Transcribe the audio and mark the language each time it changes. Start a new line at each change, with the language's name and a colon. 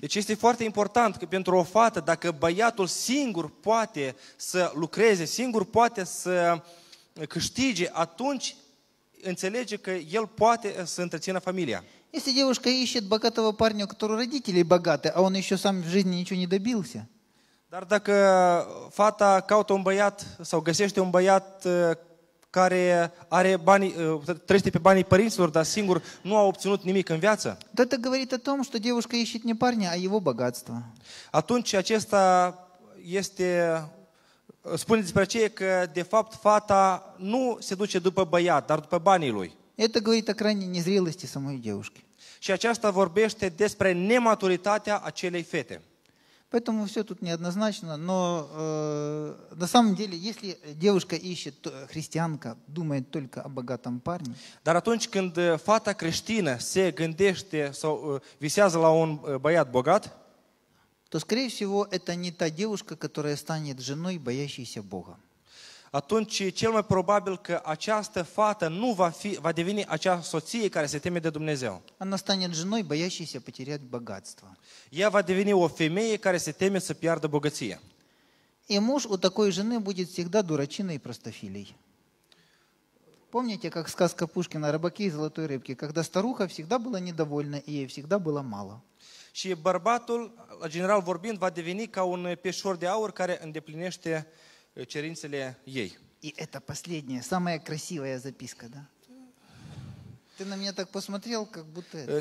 Romanian: Deci este foarte important că pentru o fată, dacă băiatul singur poate să lucreze, singur poate să câștige, atunci înțelege că el poate să întrețină familia.
Russian: Если девушка ищет богатого парня, у которого родители богаты, а он еще сам в жизни ничего не добился.
Romanian: Dar dacă fata caută un băiat sau găsește un băiat care are bani, trăiește pe banii părinților, dar singur nu a obținut nimic în viață.
Russian: То это говорит о том, что девушка ищет не парня, а его богатство.
Romanian: Atunci acesta este spune despre aceea că de fapt fata nu se duce după băiat, dar după banii lui.
Russian: Это говорит о крайней незрелости самой девушки.
Romanian: Și aceasta vorbește despre nematuritatea acelei fete.
Russian: Поэтому все тут неоднозначно, но на самом деле, если девушка ищет, христианка думает только о богатом парне.
Romanian: Dar atunci când fata creștină se gândește sau visează la un băiat bogat,
Russian: то скорее всего это не та девушка, которая станет женой боящейся Бога.
Romanian: Atunci cel mai probabil că această fată nu va fi, va deveni acea soție care se teme de Dumnezeu.
Russian: Она станет женой, боящейся потерять богатство.
Romanian: Ea va deveni o femeie care se teme să piardă bogăția.
Russian: И муж у такой жены будет всегда дурачиной и простофилей. Помните, как сказка Пушкина «Рыбаки и золотой рыбки», когда старуха всегда была недовольна и ей всегда было мало.
Romanian: Și bărbatul, la general vorbind, va deveni ca un peșor de aur care îndeplinește cerințele ei.
Russian: И это последняя, самая красивая записка, да? Ты на меня так посмотрел, как будто...